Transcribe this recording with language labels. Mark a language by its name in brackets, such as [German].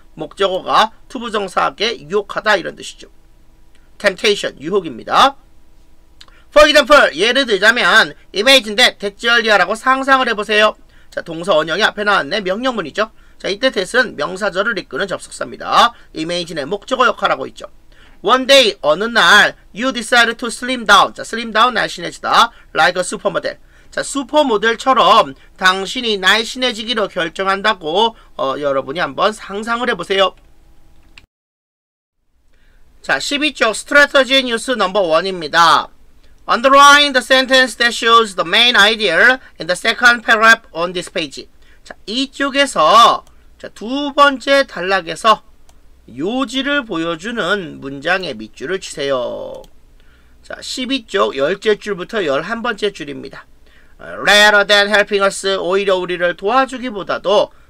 [Korean] 목적어가 투부정사하게 유혹하다 이런 뜻이죠. temptation, 유혹입니다. For example, 예를 들자면 imagine that, that절이야라고 상상을 해보세요. 자, 동사 원형이 앞에 나왔네. 명령문이죠. 자, 이때 that은 명사절을 이끄는 접속사입니다. imagine의 목적어 역할하고 있죠. [English] One day, [Korean] 어느 날, [English] you decide to slim down. 자, slim down, [Korean] 날씬해지다. [English] Like a supermodel. [Korean] 자, 슈퍼모델처럼 당신이 날씬해지기로 결정한다고 여러분이 한번 상상을 해보세요. 자, 12쪽 strategy news number 1입니다. [English] Underline the sentence that shows the main idea in the second paragraph on this page. [Korean] 자, 이쪽에서 자, 두 번째 단락에서 요지를 보여주는 문장의 밑줄을 치세요. 자, 12쪽 10째 줄부터 11번째 줄입니다. [English] Rather than helping us, [Korean] 오히려 우리를 도와주기보다도